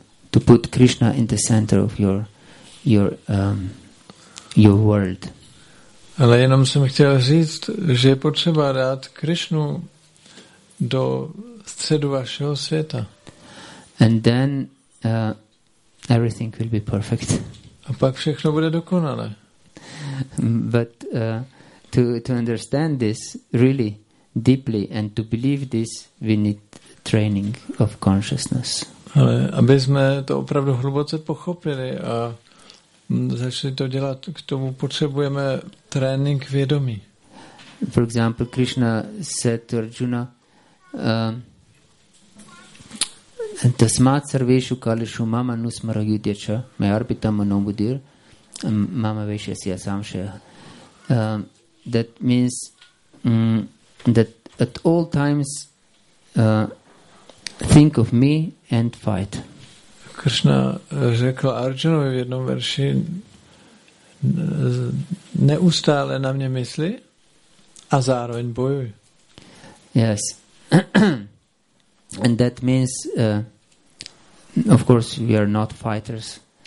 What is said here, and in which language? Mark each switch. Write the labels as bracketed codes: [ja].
[en] To put Krishna in the center of your world. [cs] Ale jenom jsem chtěl říct, že je potřeba dát Krishnu do středu vašeho světa. [en] And then everything will be perfect. [cs] A pak všechno bude dokonalé. [en] But to understand this really deeply and to believe this, we need training of consciousness. [cs] Ale aby jsme to opravdu hluboce pochopili a začali to dělat, k tomu potřebujeme trénink vědomí. [en] For example, Krishna said to Arjuna, [sa] "Tasmat sarveshu kalishu mama nusmara yudyacha may arpita manobudir mama veshasya samshaya." [en] That means that at all times think of me and fight. [cs] Krishna řekl Arjunovi v jednom verši, neustále na mě mysli a zároveň bojuj. [en] Yes. And that means of course we are not fighters.